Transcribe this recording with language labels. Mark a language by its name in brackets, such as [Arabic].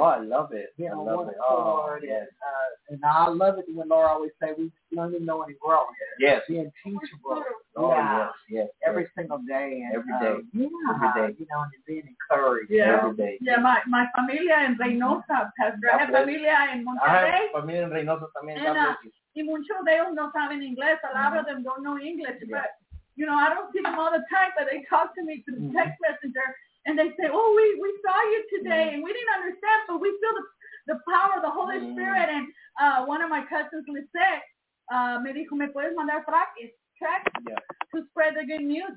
[English] And, oh, I love it. You know, I love it. Lord, oh, yes. And I love it when Laura always say we learn to know and grow. Yes. Being teachable. Oh, yes. Every yes. single day. And, every day. Yeah. Every day. You know, and being encouraged yeah. every day. Yeah, my [Spanish] familia en Reynosa, [English] Pastor. I have [Spanish] familia en Monterrey. Familia en Reynosa también. Y muchos de ellos no saben inglés. [English] A lot of them don't know English. Yeah. But, you know, I don't see them all the time, but they talk to me through the text messenger. And they say, oh, we saw you today. And we didn't understand, but we feel the power of the Holy Spirit. And one of my cousins, Lisette, [Spanish] me dijo, ¿me puedes mandar [English] tracks to spread the good news?